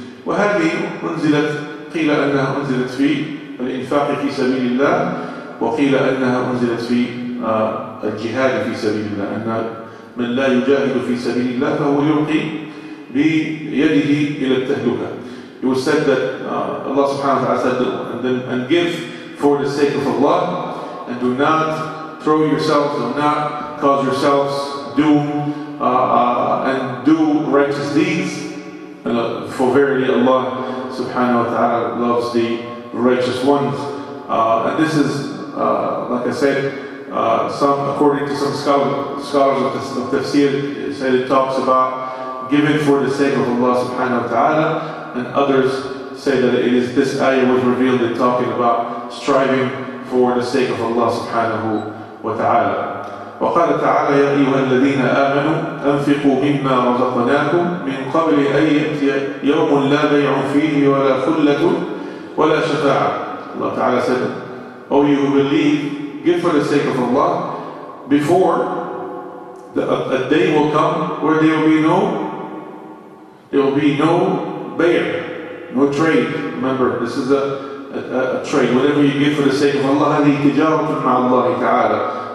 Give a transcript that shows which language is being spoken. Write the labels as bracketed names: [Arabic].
[Arabic] وهذه أنزلت, قيل أنها أنزلت في الإنفاق في سبيل الله, وقيل أنها أنزلت في الجهاد في سبيل الله, أن من لا يجاهد في سبيل الله فهو يلقي بيده إلى التهلكة. [English] It was said that Allah subhanahu wa ta'ala said, and give for the sake of Allah, and do not throw yourselves, do not cause yourselves doom, and do righteous deeds. For verily Allah subhanahu wa ta'ala loves the righteous ones. And this is, like I said, according to some scholars of tafsir, said it talks about giving for the sake of Allah subhanahu wa ta'ala, and others say that it is this ayah was revealed in talking about striving for the sake of Allah subhanahu wa ta'ala. [Arabic] وقال تعالى يا أيها الذين آمنوا أنفقوا مما رزقناكم من قبل أن يأتي يوم لا بيع فيه ولا خلة ولا شفاعة. [English] الله تعالى said, oh you who believe, give for the sake of Allah before a day will come where there will be no bayr, no trade. Remember, this is a trade. Whatever you give for the sake of Allah, [Arabic] هذه تجارة مع الله تعالى.